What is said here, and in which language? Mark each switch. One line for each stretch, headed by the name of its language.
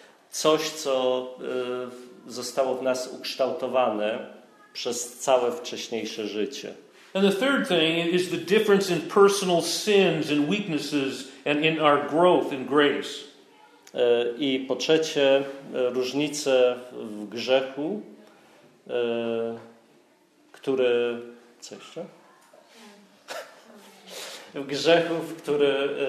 Polish: Coś, co zostało w nas ukształtowane przez całe wcześniejsze życie.
English: And the third thing is the difference in personal sins and weaknesses and in our growth in grace.
Polish: I po trzecie, różnice w grzechu, który... Co jeszcze? W grzechu, w który...